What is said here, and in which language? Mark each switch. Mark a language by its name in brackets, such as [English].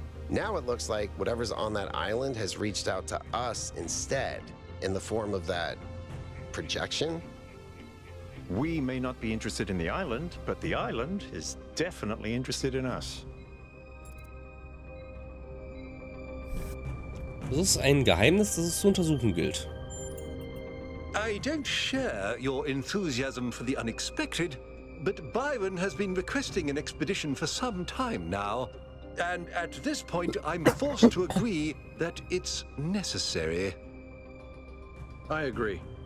[English] Now it looks like whatever's on that island has reached out to us instead, in the form of that projection. We may not be interested in the island, but the island is definitely interested in us. [German] Das ist ein Geheimnis, das es zu untersuchen gilt. [English] I don't share your enthusiasm for the unexpected, but Byron has been requesting an expedition for some time now. And at this point, I'm forced to agree that it's necessary. I agree.